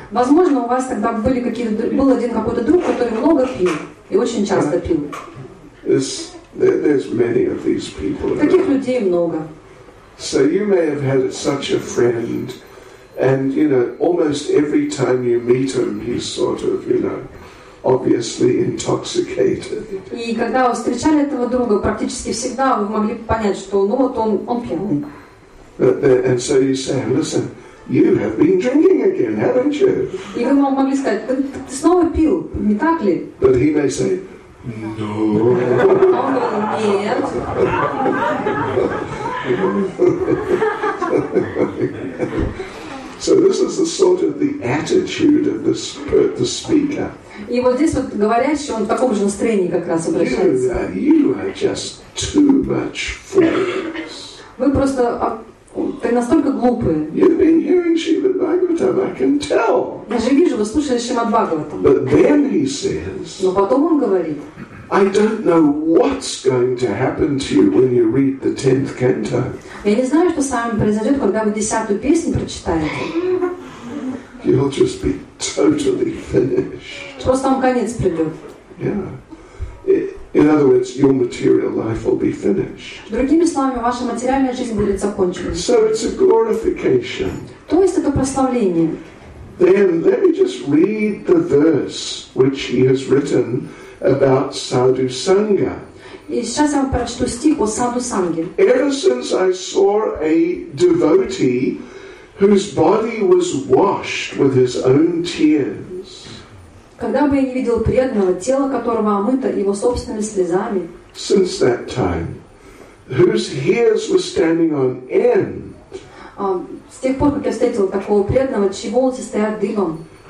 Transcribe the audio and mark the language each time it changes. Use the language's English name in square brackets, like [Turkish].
[Russian] Возможно, у вас тогда были был один какой-то друг, который много пил и очень часто пил. [English] There's many of these people. [Russian] Таких людей много. [English] So you may have had such a friend. And, you know, almost every time you meet him, he's sort of, you know, obviously intoxicated. [Russian] И когда вы встречали этого друга, практически всегда вы могли понять, что, ну вот он пьяный. [English] And so you say, listen, You have been drinking again, haven't you? [Russian] И вы могли сказать, ты снова пил, не так ли? [English] But he may say, no. [Russian] Он говорит, нет. [English] So this is the sort of the attitude of the speaker. [Russian] И вот здесь вот говорящий, он в таком же настроении как раз обращается. [English] You are just too much for this. [Russian] Вы просто, ты настолько глупый. [English] You've been hearing Shrimad Bhagavatam, I can tell. [Russian] Я же вижу, вы слушали Шримад Бхагаватам. [English] But then he says. [Russian] Но потом он говорит. [English] I don't know what's going to happen to you when you read the 10th canto. [Russian] Я не знаю, что с вами произойдет, когда вы 10-ю песню прочитаете. [English] You'll just be totally finished. [Russian] Просто вам конец придет. [English] Yeah. In other words, your material life will be finished. [Russian] Другими словами, ваша материальная жизнь будет закончена. [English] So it's a glorification. [Russian] То есть это прославление. [English] Then let me just read the verse which he has written about Sadhu Sangha. [Russian] И сейчас я вам прочту стих о Саду Санге. [English] Ever since I saw a devotee whose body was washed with his own tears. [Russian] Когда бы я не видел преданного, тело которого омыто его собственными слезами. [English] Since that time, whose hairs were standing on end. [Russian] С тех пор, как я встретил такого преданного, чьи волосы стоят дымом.